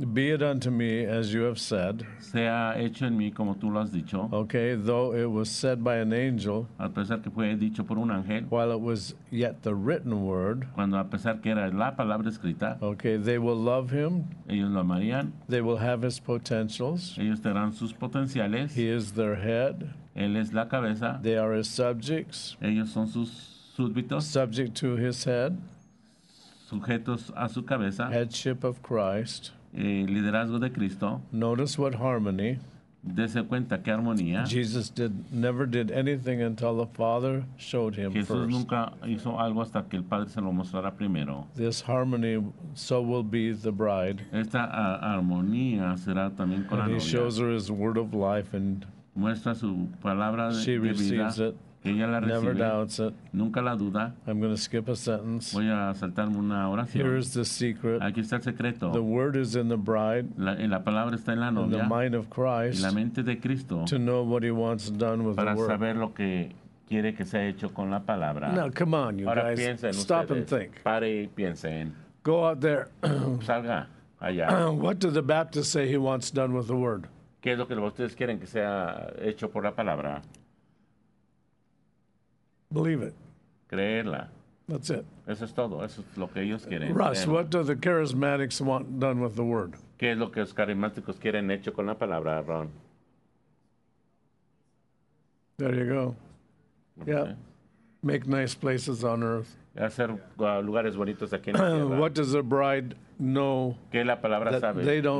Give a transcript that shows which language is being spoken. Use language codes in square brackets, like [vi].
[en] be it unto me as you have said. [es] Sea hecho en mí como tú lo has dicho. [en] Okay, though it was said by an angel. [es] A pesar que fue dicho por un ángel. [en] While it was yet the written word. [es] Cuando a pesar que era la palabra escrita. [en] Okay, they will love him. [es] Ellos lo amarían. [en] They will have his potentials. [es] Ellos tendrán sus potenciales. [en] He is their head. [es] Él es la cabeza. [en] They are his subjects. [es] Ellos son sus súbditos. [en] Subject to his head. [es] Sujetos a su cabeza. [en] Headship of Christ. [es] Liderazgo de Cristo. [en] Notice what harmony. [es] Dese cuenta qué armonía. [en] Jesus never did anything until the Father showed him [es] Jesús [en] first. [es] Jesús nunca hizo algo hasta que el Padre se lo mostrara primero. [en] This harmony, so will be the bride. [es] Esta armonía será también con la novia. [en] He shows her his word of life and [es] muestra su palabra [en] she [es] de vida. [en] It, [es] ella la recibe. [en] Never doubts it. [es] Nunca la duda. [en] I'm going to skip a sentence. [es] Voy a saltarme una oración. [en] Here is the secret. [es] Aquí está el secreto. [en] The word is in the bride. [es] La palabra está en la novia. [en] In the mind of Christ. [es] En la mente de Cristo. [en] To know what he wants done with [es] para [en] the word. [es] Saber lo que quiere que sea hecho con la palabra. [en] Now, come on, you [es] ahora [en] guys. [es] Piensen [en] stop [es] ustedes. [en] And think. [es] Pare y piensen. [en] Go out there. [es] Salga allá. [en] What do the Baptists say he wants done with the word? [es] ¿Qué es lo que ustedes quieren que sea hecho por la palabra? [en] Believe it. [es] Creerla. [en] That's it. [es] Eso es todo. Eso es lo que ellos quieren. [en] Russ, what do the charismatics want done with the word? [es] ¿Qué es lo que los carismáticos quieren hecho con la palabra, Ron? [en] There you go. Okay. Yeah. Make nice places on earth. [es] Hacer lugares bonitos aquí en la tierra. [en] What does the bride know? [es] ¿Qué la palabra [en] that [es] sabe? [en] They don't